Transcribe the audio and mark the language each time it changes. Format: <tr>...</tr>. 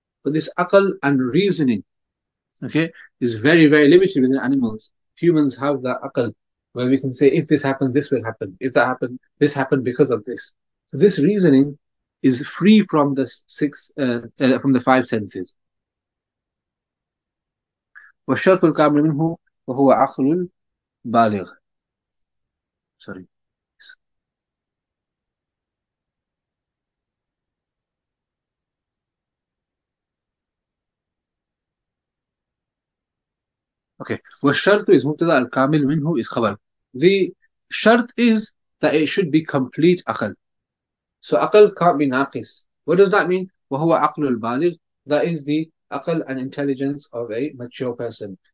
<en>But this akal and reasoning, okay, is very, very limited within animals. Humans have that akal, where we can say, if this happened, this will happen. If that happened, this happened because of this. So this reasoning is free from the six, from the five senses.</en> <ar>والشرط الكامل منه وهو عقل بالغ.</ar> <en>Sorry. Okay.</en> <ar>والشرط is مبتدأ الكامل منه is خبر.</ar> <en>The shart is that it should be complete aql. So aql can't be naqis. What does that mean?</en> <ar>وهو عقل البالغ.</ar> <en>That is the aql and intelligence of a mature person.</en>